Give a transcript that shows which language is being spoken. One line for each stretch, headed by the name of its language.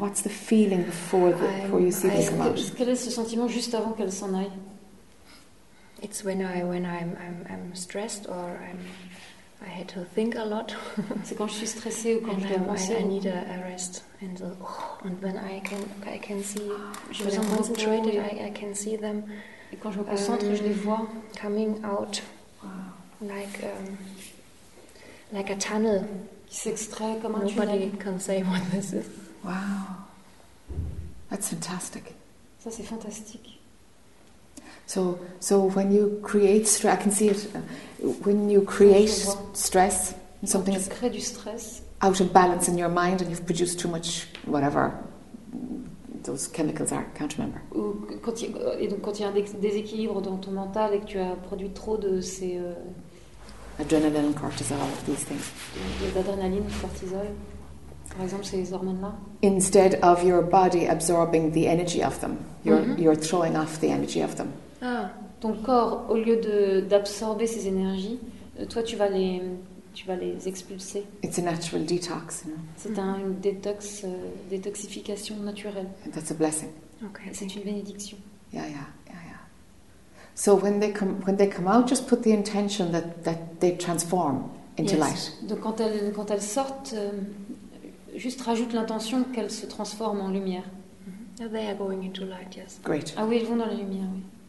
English: What's the feeling before you see them out?
French: Quel est ce sentiment juste avant qu'elles s'en aillent?
English: It's when I'm stressed or I had to think a lot.
French: C'est quand je suis stressée ou quand je dois penser.
English: I need a rest and then I can see.
French: Je me sens
English: concentrated. I can see them.
French: Et quand je me concentre, je les vois
English: coming out. Wow. Like a tunnel.
French: Qui s'extrait comme un
English: tunnel. Nobody can say what this is. Wow. That's fantastic.
French: Ça c'est fantastique.
English: So when you create stress, I can see it. When you create stress, something
French: tu crées du stress.
English: Out of balance in your mind, and you've produced too much whatever those chemicals are. I can't remember.
French: Ou quand il y a un déséquilibre dans ton mental et que tu as produit trop de ces
English: adrenaline, cortisol, these things.
French: D'adrénaline, cortisol. Par exemple, ces hormones-là.
English: Instead of your body absorbing the energy of them, you're throwing off the energy of them.
French: Ah, ton corps, au lieu d'absorber ces énergies, toi, tu vas les expulser.
English: It's a natural detox, you know.
French: C'est une détoxification naturelle.
English: And that's a blessing.
French: Okay. C'est une bénédiction.
English: Yeah, yeah. So when they come out, just put the intention that they transform into light.
French: Donc quand elles sortent, juste rajoute l'intention qu'elles se transforment en lumière.
English: Mm-hmm. They are going into light, yes. Great.
French: Ah oui, elles vont dans la lumière, oui.